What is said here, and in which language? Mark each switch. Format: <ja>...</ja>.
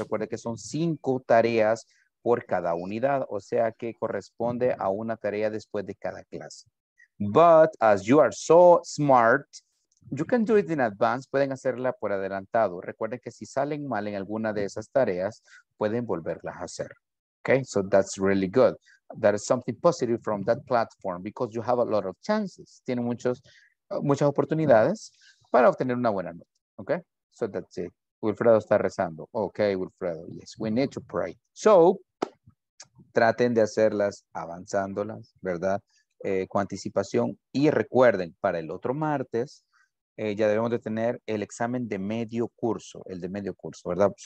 <es>Recuerde que son 5 tareas por cada unidad, o sea que corresponde a una tarea después de cada clase.</es> <en>But as you are so smart, you can do it in advance,</en> <es>pueden hacerla por adelantado. Recuerden que si salen mal en alguna de esas tareas, pueden volverlas a hacer.</es> <en>Okay, so that's really good. That is something positive from that platform because you have a lot of chances.</en> <es>Tienen muchas oportunidades para obtener una buena nota.</es> <en>Okay, so that's it.</en> <es>Wilfredo está rezando.</es> <en>Okay, Wilfredo, yes, we need to pray.</en> <es>So, traten de hacerlas avanzándolas, ¿verdad? Con anticipación. Y recuerden, para el otro martes, ya debemos de tener el examen de medio curso, el de medio curso, ¿verdad?</es>